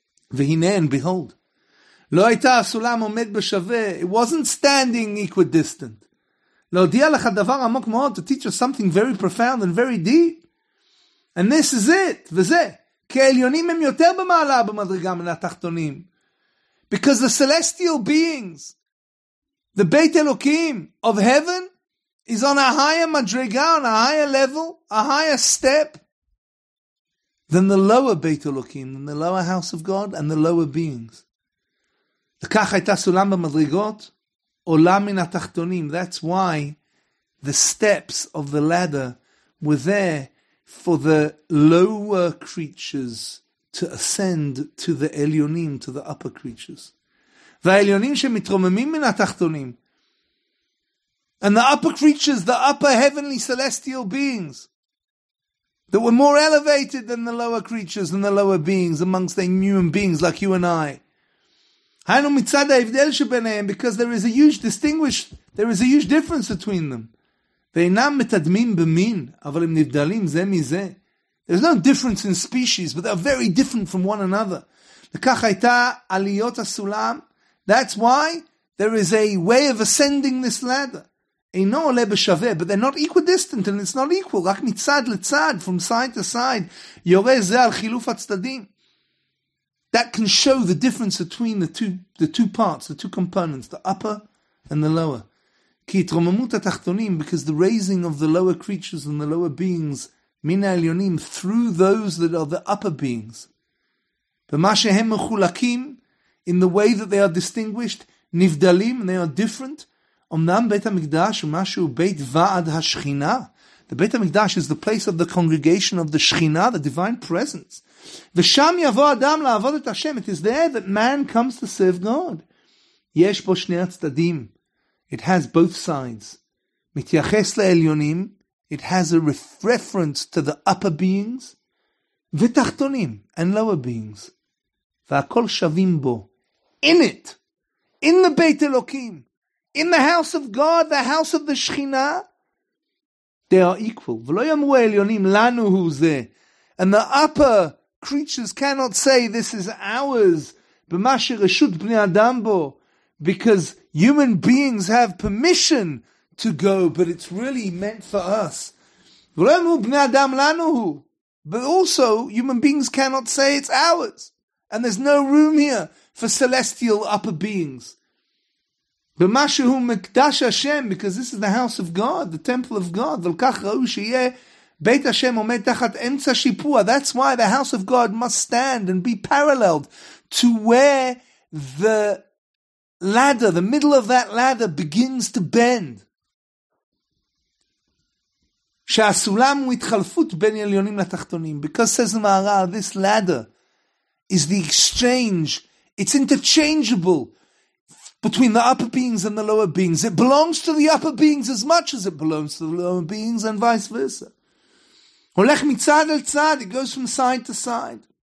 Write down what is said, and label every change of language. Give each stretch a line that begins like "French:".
Hebrew: והנה,
English: and behold,
Hebrew: לא הייתה הסולם עומד בשווה,
English: it wasn't standing equidistant.
Hebrew: להודיע לך דבר עמוק מאוד,
English: to teach us something very profound and very deep. And this is it,
Hebrew: וזה, כעליונים הם יותר במעלה במדרגה מן התחתונים.
English: Because the celestial beings, the Beit Elokim of heaven, is on a higher madriga, on a higher level, a higher step, than the lower Beit Elokim, than the lower house of God, and the lower beings.
Hebrew: וכך הייתה סולם במדרגות, עולה מן התחתונים.
English: That's why the steps of the ladder were there for the lower creatures to ascend to the עליונים, to the upper creatures.
Hebrew: והעליונים שמתרוממים מן התחתונים,
English: and the upper creatures, the upper heavenly celestial beings, that were more elevated than the lower creatures, than the lower beings, amongst the human beings like you and I.
Hebrew: היינו מצד ההבדל שביניהם,
English: because there is a huge difference between them.
Hebrew: ואינם מתדמים במין, אבל הם נבדלים זה מזה.
English: There's no difference in species, but they're very different from one another.
Hebrew: וכך הייתה עליות הסולם.
English: That's why there is a way of ascending this ladder.
Hebrew: אינו עולה בשווה,
English: but they're not equidistant, and it's not equal.
Hebrew: רק מצד לצד,
English: from side to side,
Hebrew: יורה זה על חילוף הצדדים.
English: That can show the difference between the two parts, the two components, the upper and the lower.
Hebrew: כי התרוממות התחתונים,
English: because the raising of the lower creatures and the lower beings,
Hebrew: מן העליונים,
English: through those that are the upper beings.
Hebrew: ומה שהם מחולקים,
English: in the way that they are distinguished, נבדלים, and they are different.
Hebrew: אמנם בית המקדש הוא משהו בית ועד השכינה.
English: The Beit HaMikdash is the place of the congregation of the Shechinah, the divine presence.
Hebrew: ושם יבוא אדם לעבוד את השם.
English: It is there that man comes to serve God.
Hebrew: יש בו שני הצדדים.
English: It has both sides.
Hebrew: מתייחס לעליונים.
English: It has a reference to the upper beings. ותחתונים and lower beings.
Hebrew: והכל שווים בו.
English: In it. In the Beit Elokim. In the house of God, the house of the Shechinah. They are equal.
Hebrew: ולא יאמרו העליונים, לנו הוא זה.
English: And the upper creatures cannot say, this is ours.
Hebrew: במה שרשות בני אדם בו.
English: Because human beings have permission to go, but it's really meant for us.
Hebrew: ולא יאמרו בני אדם, לנו הוא.
English: But also, human beings cannot say, it's ours. And there's no room here for celestial upper beings.
Hebrew: במה שהוא מקדש השם,
English: because this is the house of God,
Hebrew: the temple of God, ועל כך ראו שיהיה בית השם עומד תחת אמצע שיפוע.
English: That's why the house of God must stand and be paralleled to where the ladder, the middle of that ladder begins to bend.
Hebrew: שהסולם הוא התחלפות בין עליונים לתחתונים.
English: Because, says the Maharal, this ladder is the exchange, it's interchangeable between the upper beings and the lower beings. It belongs to the upper beings as much as it belongs to the lower beings and vice versa.
Hebrew: הולך מצד אל צד,
English: it goes from side to side.